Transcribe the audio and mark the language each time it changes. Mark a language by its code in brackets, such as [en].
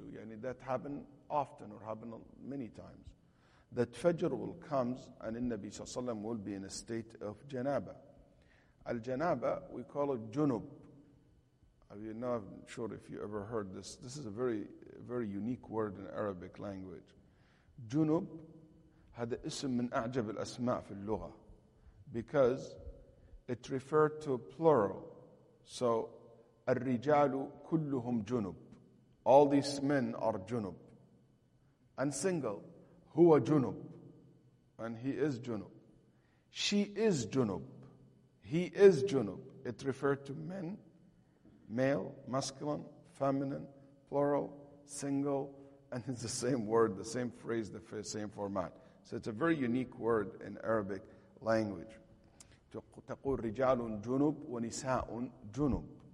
[en] Yani that happened often or happened many times. That Fajr will come and in Nabi sallallahu alayhi wa sallam will be in a state of janaba. Al-janaba, we call it junub. I'm not sure if you ever heard this. This is a very, very unique word in Arabic language. [ar] Junub, هذا اسم من أعجب الأسماء في اللغة, [en] because it referred to plural. [ar] So, الرجال كلهم جنوب. [en] All these men are جنوب. And single, [ar] هو جنوب. [en] And he is جنوب. She is جنوب. He is جنوب. It referred to men, male, masculine, feminine, plural, single. And it's the same word, the same phrase, the same format. So it's a very unique word in Arabic language. [ar] تقول رجال جنوب ونساء جنوب.